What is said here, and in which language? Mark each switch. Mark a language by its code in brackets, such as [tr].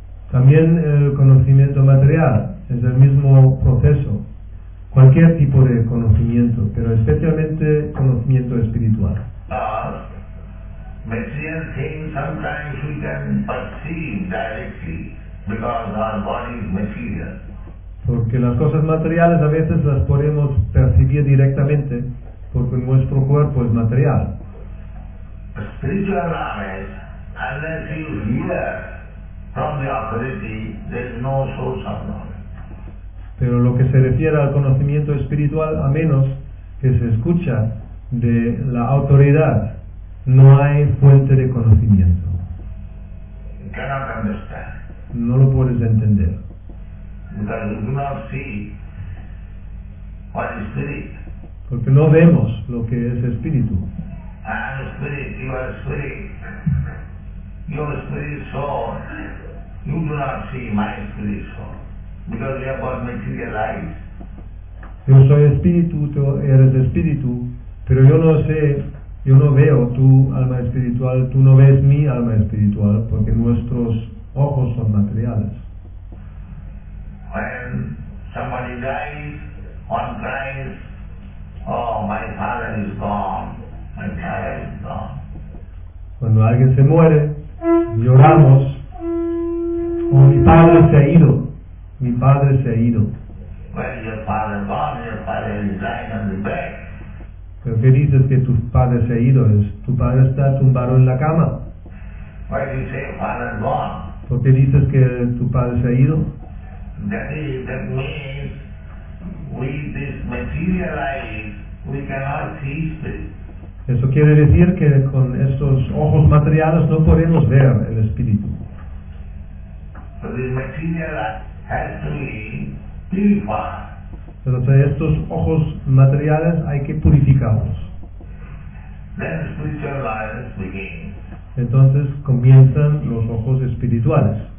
[es] También el conocimiento material es el mismo proceso. Cualquier tipo de conocimiento, pero especialmente conocimiento espiritual. [en] Material things sometimes we can perceive directly because our body is material. [es] Porque las cosas materiales a veces las podemos percibir directamente porque nuestro cuerpo es material. [en] Spiritual knowledge, unless you hear from the authority, there's no source of knowledge. [es] Pero lo que se refiere al conocimiento espiritual, a menos que se escucha de la autoridad, no hay fuente de conocimiento. [en] Cannot understand. [es] No lo puedes entender. [en] Because you do not see what is spirit. [es] Porque no vemos lo que es espíritu. [en] I am spirit, you are spirit. Your spirit soul. You do not see my spirit soul. Because we are born materialized. [es] Yo soy espíritu, tú eres espíritu, pero yo no sé, yo no veo tu alma espiritual, tú no ves mi alma espiritual, porque nuestros ojos son materiales. [en] When somebody dies, one cries, oh, my father is gone, my child is gone. [es] Cuando alguien se muere, lloramos, oh, mi padre se ha ido. Mi padre se ha ido. [en] Well, your father gone, your father is lying on the bed. [es] ¿Pero qué dices que tu padre se ha ido? ¿Es tu padre está tumbado en la cama? [en] Why do you say father gone? [es] ¿Por qué dices que tu padre se ha ido? [en] That means with this material eye we cannot see spirit. [es] Eso quiere decir que con estos ojos materiales no podemos ver el espíritu. [en] So this material eye has to be purified. [es] Entonces estos ojos materiales hay que purificarlos. [en] Then spiritual eyes begin. [es] Entonces comienzan los ojos espirituales.